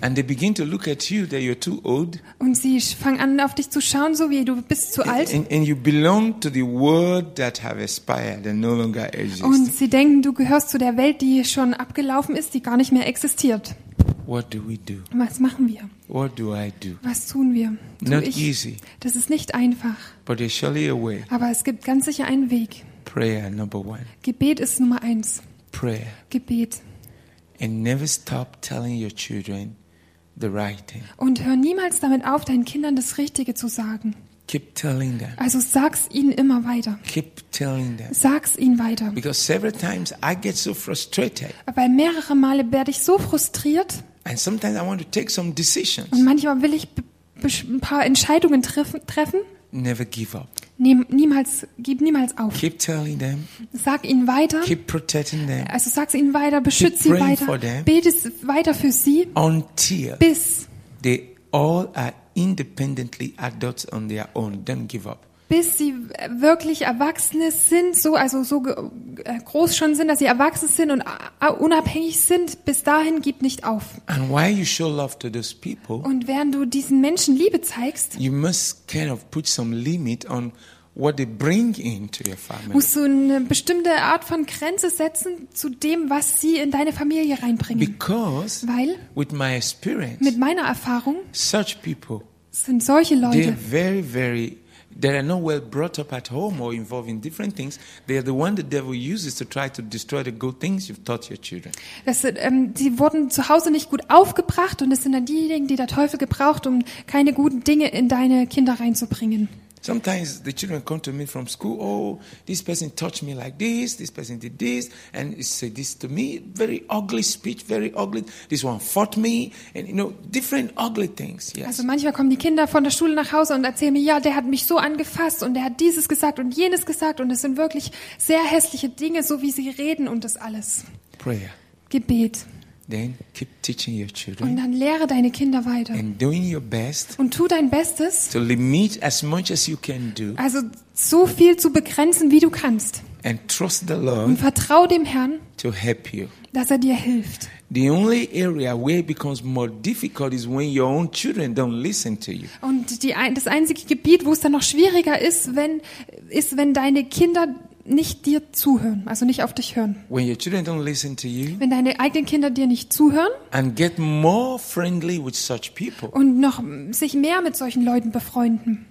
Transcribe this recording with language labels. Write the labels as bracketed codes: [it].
[en] And they begin to look at you that you're too old. [de] Und sie fangen an, auf dich zu schauen, so wie du bist zu alt. [en] And you belong to the world that have expired and no longer exists. [de] Und sie denken, du gehörst zu der Welt, die schon abgelaufen ist, die gar nicht mehr existiert. [en] What do we do? [de] Was machen wir? [en] What do I do? [de] Was tun wir? [en] Not easy. [de] Das ist nicht einfach. [en] But there's surely a way. [de] Aber es gibt ganz sicher einen Weg. [en] Prayer number one. [de] Gebet ist Nummer eins. [en] Prayer. [de] Gebet. [en] And never stop telling your children, the right thing. [de] Und hör niemals damit auf, deinen Kindern das Richtige zu sagen. [en] Keep telling them. [de] Also sag's ihnen immer weiter. [en] Keep telling them. [de] Sag's ihnen weiter. [en] Because several times I get so frustrated. [de] Weil mehrere Male werde ich so frustriert. [en] And sometimes I want to take some decisions. [de] Und manchmal will ich ein paar Entscheidungen treffen. [en] Never give up. [de] Gib niemals auf. [en] Keep telling them. [de] Sag ihnen weiter. [en] Keep protecting them. [de] Also sag's ihnen weiter, beschütze sie weiter. [en] For them. [de] Bete weiter für sie. [en] Until [de] bis [en] they all are independently adults on their own, don't give up. [de] Bis sie wirklich Erwachsene sind, groß schon sind, dass sie erwachsen sind und unabhängig sind, bis dahin gib nicht auf. [en] And while you show love to those people, [de] und während du diesen Menschen Liebe zeigst, [en] you must kind of put some limit on what they bring into your family. [de] Musst du eine bestimmte Art von Grenze setzen zu dem, was sie in deine Familie reinbringen. [en] Because, [de] weil [en] with my experience, [de] mit meiner Erfahrung, [en] such people [de] sind solche Leute, [en] they're very, very, they are not well brought up at home or involved in different things. They are the one the devil uses to try to destroy the good things you've taught your children. [de] Sie wurden zu Hause nicht gut aufgebracht und es sind dann diejenigen, die der Teufel gebraucht, um keine guten Dinge in deine Kinder reinzubringen. [en] Sometimes the children come to me from school. Oh, this person touched me like this. This person did this and he said this to me. Very ugly speech. Very ugly. This one fought me. And you know, different ugly things. Yes. [de] Also manchmal kommen die Kinder von der Schule nach Hause und erzählen mir, ja, der hat mich so angefasst und der hat dieses gesagt und jenes gesagt und es sind wirklich sehr hässliche Dinge, so wie sie reden und das alles. [en] Prayer. [de] Gebet. [en] Then keep teaching your children. [de] Und dann lehre deine Kinder weiter. [en] And doing your best. [de] Und tu dein Bestes. [en] To limit as much as you can do. [de] Also so viel zu begrenzen, wie du kannst. [en] And trust the Lord. [de] Und vertrau dem Herrn. [en] To help you. [de] Dass er dir hilft. [en] The only area where it becomes more difficult is when your own children don't listen to you. [de] Und das einzige Gebiet, wo es dann noch schwieriger ist, wenn deine Kinder nicht dir zuhören, also nicht auf dich hören. [en] When your children don't listen to you, [de] wenn deine eigenen Kinder dir nicht zuhören [en] and get more friendly with such people, [de] und noch sich mehr mit solchen Leuten befreunden,